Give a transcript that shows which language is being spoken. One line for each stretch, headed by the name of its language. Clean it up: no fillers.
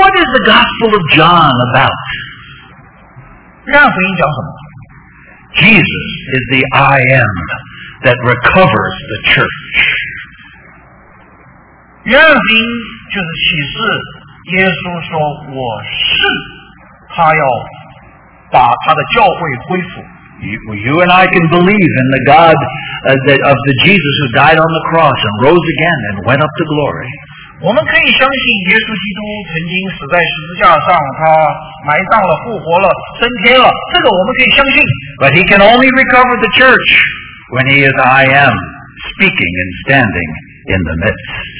English: What is the Gospel of John about?
Chinese: 让福音讲什么?
English: Jesus is the I am that recovers the church.
Chinese: 让福音就是启示耶稣说我是他要把他的教会恢复。
English: You and I can believe in the God of the Jesus who died on the cross and rose again and went up to glory.
Chinese: 我们可以相信耶稣基督曾经死在十字架上，他埋葬了，复活了，升天了，这个我们可以相信。
English: But he can only recover the church when he is I am speaking and standing in the midst.